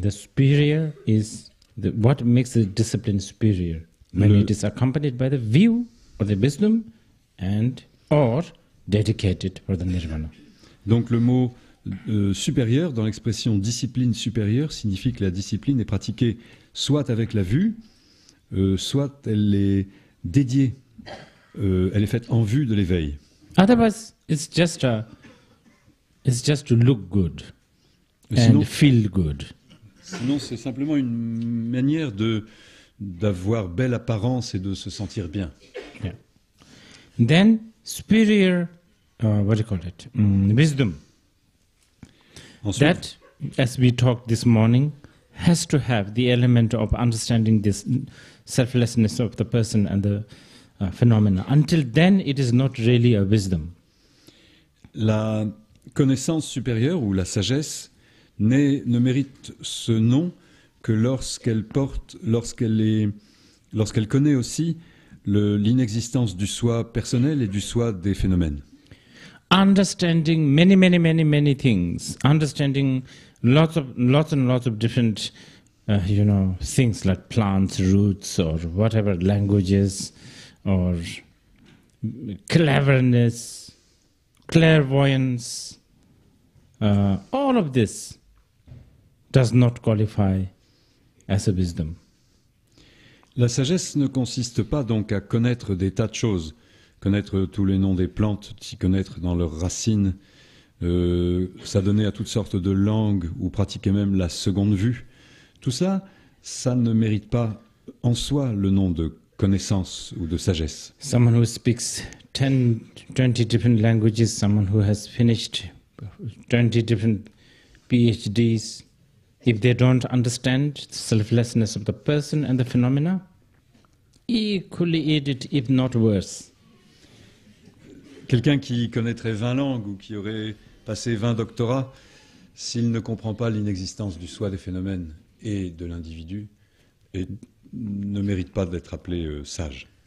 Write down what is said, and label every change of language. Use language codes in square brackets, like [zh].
[en] The superior is the, what makes the discipline superior when it is accompanied by the view or the wisdom and or dedicated for the nirvana. [fr] Donc le mot supérieur dans l'expression discipline supérieure signifie que la discipline est pratiquée soit avec la vue, soit elle est dédiée, elle est faite en vue de l'éveil. [en] Otherwise, it's just to look good and [fr] sinon, [en] feel good. [fr] Sinon, c'est simplement une manière d'avoir belle apparence et de se sentir bien. [en] Yeah. Then superior, what do you call it? Wisdom. [fr] Ensuite, [en] that, as we talked this morning, has to have the element of understanding this selflessness of the person and the phenomena. Until then, it is not really a wisdom. [fr] La connaissance supérieure ou la sagesse ne mérite ce nom que lorsqu'elle connaît aussi l'inexistence du soi personnel et du soi des phénomènes. [en] Understanding many, many, many, many things. Understanding lots and lots of different, you know, things like plants, roots, or whatever languages, or cleverness, clairvoyance, all of this does not qualify as a wisdom. [fr] La sagesse ne consiste pas donc à connaître des tas de choses, connaître tous les noms des plantes, s'y connaître dans leurs racines, s'adonner à toutes sortes de langues ou pratiquer même la seconde vue. Tout cela, ça ne mérite pas en soi le nom de connaissance ou de sagesse. [en] Someone who speaks 10-20 different languages, someone who has finished 20 different PhDs, if they don't understand the selflessness of the person and the phenomena, equally idiot, if not worse. [fr] Quelqu'un qui connaîtrait 20 langues ou qui aurait passé 20 doctorats, s'il ne comprend pas l'inexistence du soi des phénomènes et de l'individu, et ne mérite pas d'être appelé sage.